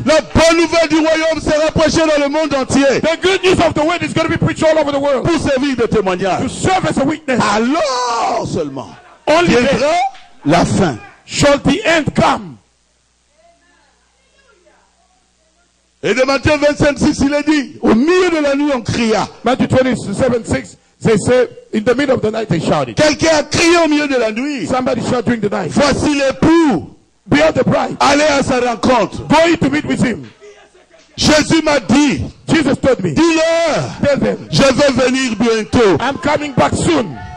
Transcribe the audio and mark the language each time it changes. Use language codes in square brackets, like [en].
[fr] La bonne nouvelle du royaume sera prêchée dans le monde entier. [en] The good news of the word is going to be preached all over the world. [fr] Pour servir de témoignage. [en] To serve as a witness. [fr] Alors seulement. [en] Only [fr] viendra la fin. [en] Shall the end come? [fr] Et de Matthieu 27, 6, il est dit, au milieu de la nuit, on cria. [en] Matthew 27, 6, they say, in the middle of the night, they shouted. [fr] Quelqu'un a crié au milieu de la nuit. [en] Somebody shouted during the night. [fr] Voici l'époux. [en] Behold the bride. [fr] Allez à sa rencontre. [en] Go in to meet with him. [fr] Jésus m'a dit. [en] Jesus told me. [fr] Dis-leur. [en] Tell them. [fr] Je vais venir bientôt. [en] I'm coming back soon.